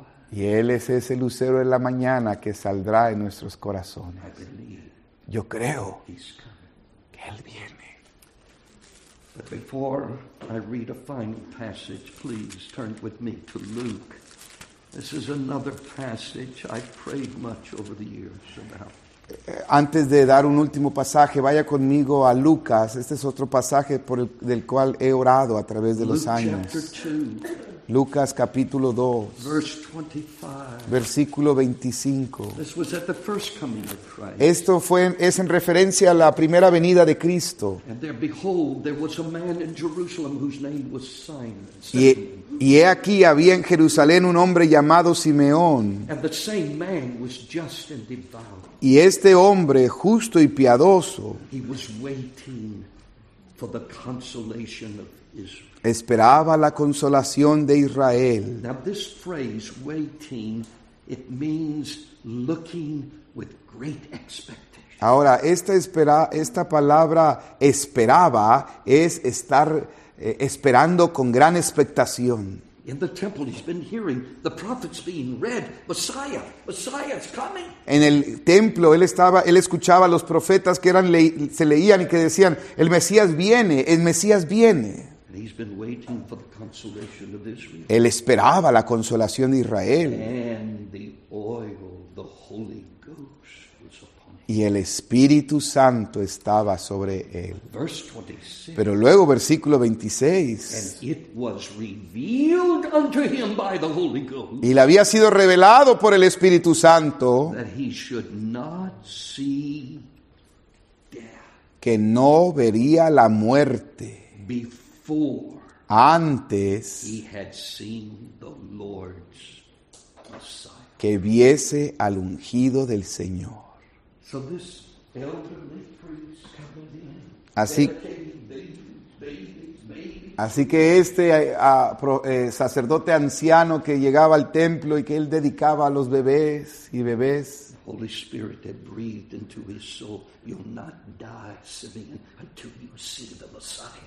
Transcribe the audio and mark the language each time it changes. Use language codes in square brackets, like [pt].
[es] Y Él es ese lucero de la mañana que saldrá en nuestros corazones. Yo creo que Él viene. [en] But before I read a final passage, please turn with me to Luke. This is another passage I've prayed much over the years about. [es] Antes de dar un último pasaje, vaya conmigo a Lucas. Este es otro pasaje del cual he orado a través de los años. [en] Luke chapter 2. [es] Lucas capítulo 2. [en] Verse 25. [es] Versículo 25. [en] This was at the first coming of Christ. [es] Esto es en referencia a la primera venida de Cristo. [en] And there, behold, there was a man in Jerusalem whose name was Simon. [es] Y, Y he aquí, había en Jerusalén un hombre llamado Simeón. [en] And the same man was just and devout. [es] Y este hombre, justo y piadoso, [en] he was waiting for the consolation of Israel. [es] Esperaba la consolación de Israel. [en] Now this phrase, waiting, it means looking with great expectation. [es] Ahora, esta palabra esperaba es estar esperando con gran expectación. [en] In the temple he's been hearing the prophets being read, Messiah, Messiah is coming. [es] En el templo él escuchaba a los profetas que se leían y que decían, el Mesías viene, el Mesías viene. [en] And he's been waiting for the consolation of Israel. [es] Él esperaba la consolación de Israel. [en] And the oil, the Holy Ghost. [es] Y el Espíritu Santo estaba sobre él. Verse 26. Pero luego, versículo 26. [en] And it was revealed unto him by the Holy Ghost. [es] Y le había sido revelado por el Espíritu Santo. [en] That he should not see death. [es] Que no vería la muerte. [en] Before. [es] Antes. [en] He had seen the Lord's Messiah. [es] Que viese al ungido del Señor. [en] So this elderly priest coming in, [es] así que este sacerdote anciano que llegaba al templo y que él dedicaba a los bebés y bebés. [en] The Holy Spirit had breathed into his soul, you'll not die, Simeon, until you see the Messiah.